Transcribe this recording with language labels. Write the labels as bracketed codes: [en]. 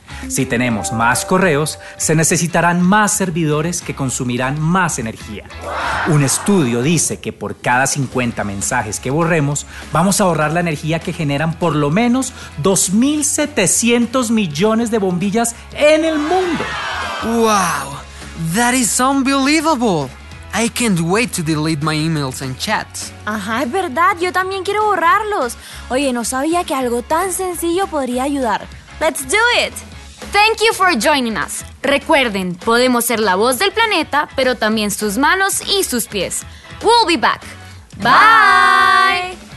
[es] Si tenemos más correos, se necesitarán más servidores que consumirán más energía. Un estudio dice que por cada 50 mensajes que borremos, vamos a ahorrar la energía que generan por lo menos 2.700 millones de bombillas en el mundo. [en] ¡Wow! ¡That is unbelievable! I can't wait to delete my emails and chats. [es] Ajá, es verdad. Yo también quiero borrarlos. Oye, no sabía que algo tan sencillo podría ayudar. [en] ¡Let's do it! Thank you for joining us. [es] Recuerden, podemos ser la voz del planeta, pero también sus manos y sus pies. [en] We'll be back. Bye!